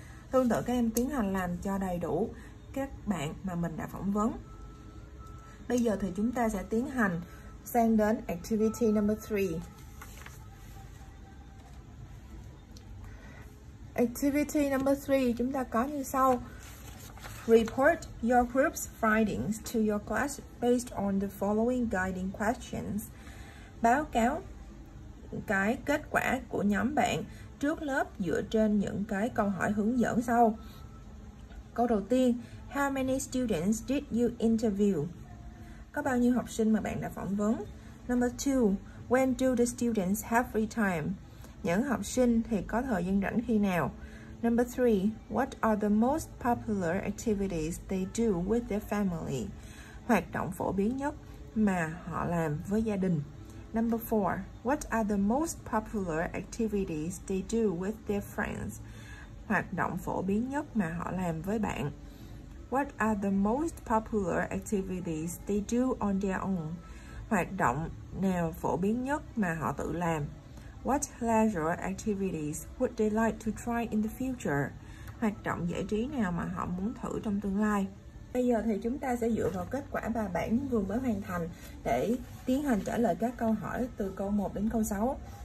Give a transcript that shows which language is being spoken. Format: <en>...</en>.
<vi>Tương tự các em tiến hành làm cho đầy đủ các bạn mà mình đã phỏng vấn. Bây giờ thì chúng ta sẽ tiến hành sang đến</vi> <en>activity number 3. Activity number 3</en> <vi>chúng ta có như sau.</vi> <en>Report your group's findings to your class based on the following guiding questions.</en> <vi>Báo cáo cái kết quả của nhóm bạn trước lớp dựa trên những cái câu hỏi hướng dẫn sau. Câu đầu tiên,</vi> <en>how many students did you interview?</en> <vi>Có bao nhiêu học sinh mà bạn đã phỏng vấn?</vi> <en>Number 2, when do the students have free time?</en> <vi>Những học sinh thì có thời gian rảnh khi nào?</vi> <en>Number 3, what are the most popular activities they do with their family?</en> <vi>Hoạt động phổ biến nhất mà họ làm với gia đình.</vi> <en>Number 4, what are the most popular activities they do with their friends?</en> <vi>Hoạt động phổ biến nhất mà họ làm với bạn.</vi> <en>What are the most popular activities they do on their own?</en> <vi>Hoạt động nào phổ biến nhất mà họ tự làm?</vi> <en>What leisure activities would they like to try in the future?</en> <vi>Hoạt động giải trí nào mà họ muốn thử trong tương lai? Bây giờ thì chúng ta sẽ dựa vào kết quả ba bản vừa mới hoàn thành để tiến hành trả lời các câu hỏi từ câu 1 đến câu 6.</vi>